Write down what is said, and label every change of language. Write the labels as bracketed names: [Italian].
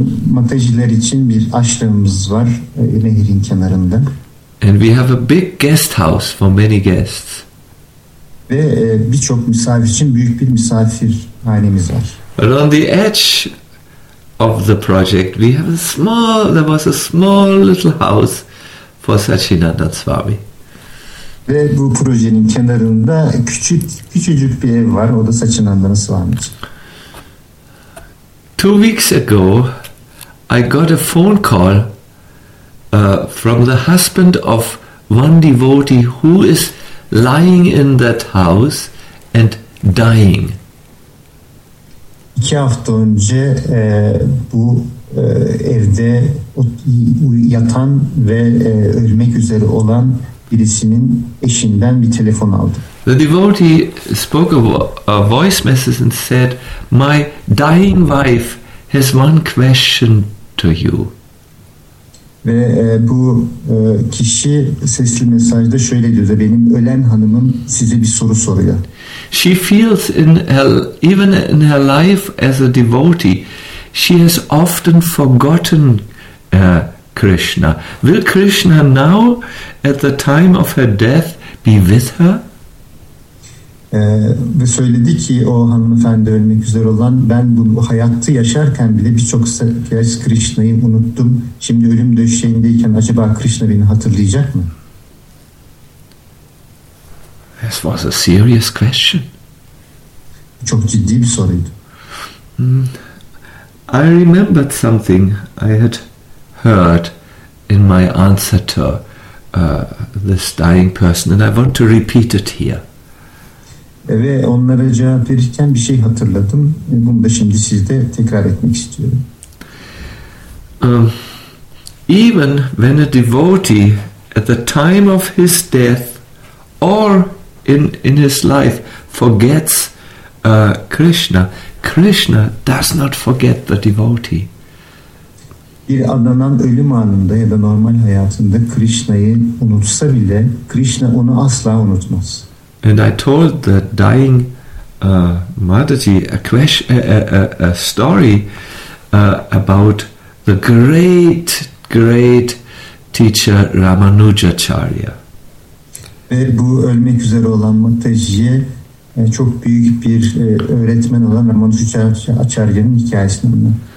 [Turkish] Mataji'ler için bir ashramımız var nehirin kenarında. [English] And we have a big guest house for many guests. [Turkish] Ve birçok misafir için büyük bir misafirhanemiz var. [English] But on the edge of the project we have a small, there was a small little house for Sachinanda Swami. [Turkish] Ve bu projenin kenarında küçücük bir ev var, o da Sachinanda Swami. [English] 2 weeks ago I got a phone call from the husband of one devotee who is lying in that house and dying. [Turkish] 2 hafta önce bu evde yatan ve ölmek üzere olan birisinin eşinden bir telefon aldım. [English] The devotee spoke a voice message and said, "My dying wife has one question to you." [Turkish] Ve bu kişi sesli mesajda şöyle diyor: benim ölen hanımım size bir soru soruyor. [English] She feels in her, even in her life as a devotee, she has often forgotten Krishna. Will Krishna now, at the time of her death, be with her? [Turkish] Ve söyledi ki o hanımefendi ölmek üzere olan, ben bu hayatta yaşarken bile birçok kez Krishna'yı unuttum. Şimdi ölüm döşeğindeyken acaba Krishna beni hatırlayacak mı? [English] This was a serious question. [Turkish] Çok ciddi bir soruydu. [English] I remembered something I had heard in my answer to this dying person and I want to repeat it here. [Turkish] Ve onlara cevap verirken bir şey hatırladım. Bunu da şimdi sizde tekrar etmek istiyorum. [English] Even when a devotee at the time of his death or in his life forgets Krishna, Krishna does not forget the devotee. [Turkish] Bir adamın ölüm anında ya da normal hayatında Krishna'yı unutsa bile Krishna onu asla unutmaz. [English] And I told the dying Madhaji a question, a story about the great, great teacher Ramanujacharya. [Turkish] Ve bu ölmek üzere olan Madhaji'ye çok büyük bir öğretmen olan Ramanujacharya'nın hikayesini anlattım.